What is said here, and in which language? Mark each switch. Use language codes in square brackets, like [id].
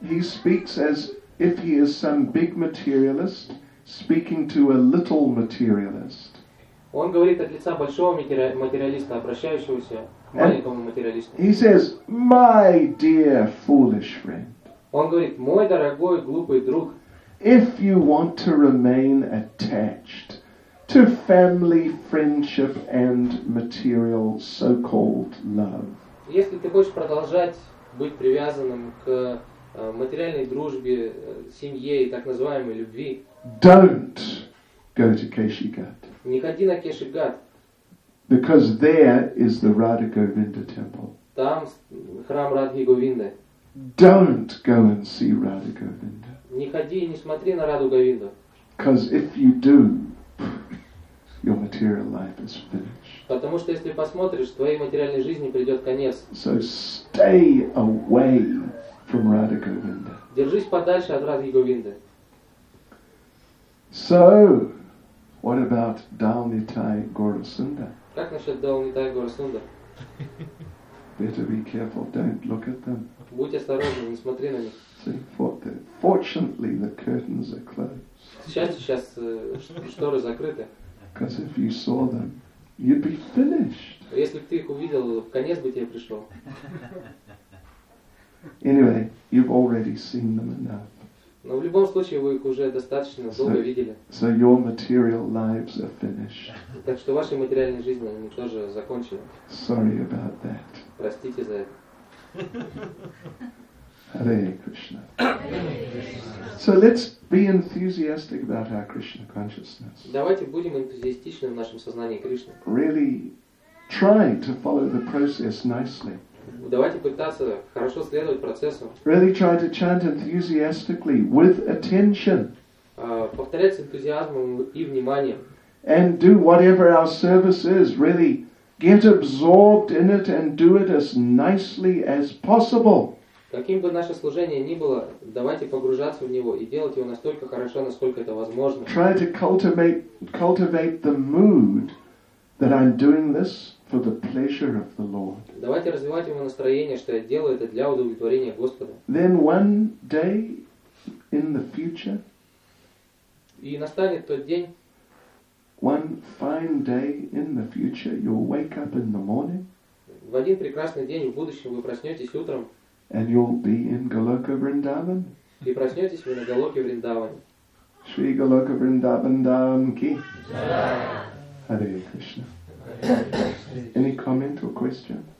[en] He speaks as if he is some big materialist speaking to a little materialist. [ru] Он говорит от лица большого материалиста, обращающегося к маленькому материалисту. [en] He says, "My dear foolish friend." [ru] Он говорит: "Мой дорогой глупый друг." [en] If you want to remain attached to family, friendship, and material so-called love. [ru] Если ты хочешь продолжать быть привязанным к материальной дружбе, семье и так называемой любви, [en] don't go to Keshi Ghat. [ru] Не ходи на Кеши Гат. [en] Because there is the Radha Govinda temple. [ru] Там храм Радхи Говинды. [en] Don't go and see Radha Govinda. [ru] Не ходи и не смотри на Раду Говинду. [en] Because if you do, your material life is finished. [ru] Потому что если посмотришь, твоей материальной жизни придет конец. [en] So stay away from Radha Govinda. [ru] Держись подальше от Радхи Говинды. [en] So, what about Dalnitai Gaurasunda? [ru] Как насчет Dalnitai Gaurasunda? [en] Better be careful. Don't look at them. [ru] Будь осторожен, не смотри на них. [en] See, fortunately, the curtains are closed. [ru] К счастью, сейчас шторы закрыты. [en] Because if you saw them, you'd be finished. [ru] Если бы ты их увидел, конец бы тебе пришел. [en] Anyway, you've already seen them enough. [ru] Но в любом случае вы их уже достаточно долго видели. [en] So your material lives are finished. [ru] Так что ваши материальные жизни они тоже закончены. [en] Sorry about that. [ru] Простите за это. [en] Hare Krishna. So let's be enthusiastic about our Krishna consciousness. [ru] Давайте будем энтузиастичны в нашем сознании Кришны. [en] Really try to follow the process nicely. [ru] Давайте пытаться хорошо следовать процессу. [en] Really try to chant enthusiastically with attention. [ru] Повторять с энтузиазмом и вниманием. [en] And do whatever our service is, really get absorbed in it and do it as nicely as possible. [ru] Каким бы наше служение ни было, давайте погружаться в него и делать его настолько хорошо, насколько это возможно. [en] Try to cultivate the mood that I'm doing this for the pleasure of the Lord. [ru] Давайте развивать его настроение, что я делаю это для удовлетворения Господа. [en] Then one day in the future, [ru] и настанет тот день, [en] one fine day in the future, you'll wake up in the morning. [ru] В один прекрасный день в будущем вы проснетесь утром. [en] And you'll be in Goloka Vrindavan. [ru] И проснетесь вы на Голоке Вриндаване. [hi] Шри Голока Вриндаван Дам Ки. [en] Hare Krishna. Any comment or question?